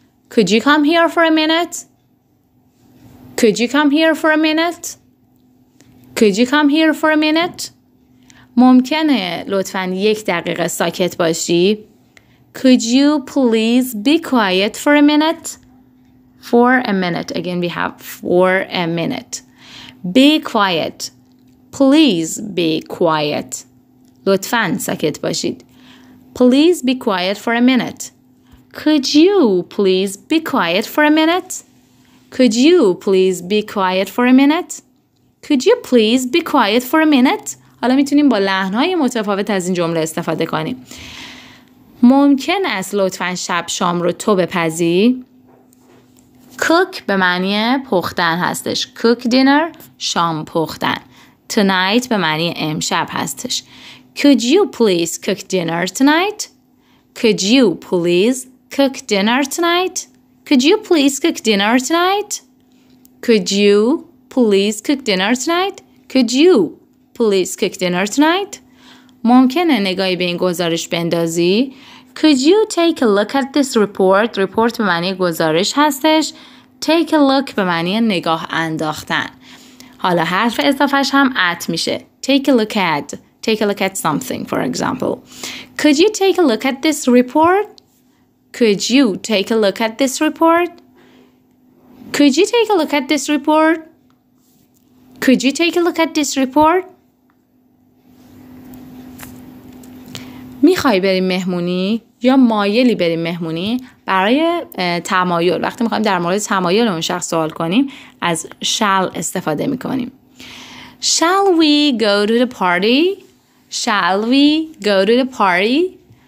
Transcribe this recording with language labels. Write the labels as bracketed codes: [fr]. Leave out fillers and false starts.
[en] Could you come here for a minute? Could you come here for a minute? Could you come here for a minute? [fa] ممکنه لطفاً یک دقیقه ساکت باشی؟ [en] Could you please be quiet for a minute? For a minute. Again, we have for a minute. Be quiet. Please be quiet. [fa] لطفاً ساکت باشید. [en] Please be quiet for a minute. Could you please be quiet for a minute? Could you please be quiet for a minute? Could you please be quiet for a minute? [fa] حالا میتونیم با لحن‌های متفاوت از این جمله استفاده کنیم. ممکن است لطفاً شب شام رو تو بپزی؟ Cook به معنی پختن هستش. [en] Cook dinner [fa] شام پختن. Tonight به معنی امشب هستش. [en] Could you please cook dinner tonight? Could you please cook dinner tonight? Could you please cook dinner tonight? Could you please cook dinner tonight? Could you please cook dinner tonight? [fa] ممکنه نگاهی به این گزارش بندازی؟ [en] Could you take a look at this report? [fa] Report به معنی گزارش هستش. [en] Take a look [fa] به معنی نگاه انداختن. حالا حرف اضافهش هم at میشه. [en] Take a look at. Take a look at something, for example. Could you take a look at this report? Could you take a look at this report? Could you take a look at this report? Could you take a look at this report? [fa] میخوای بریم مهمونی یا مایلی بریم مهمونی؟ برای تمایل وقتی میخوایم در مورد تمایل اون شخص سوال کنیم از shall استفاده میکنیم. [en] Shall we go to the party? Shall we go to the party?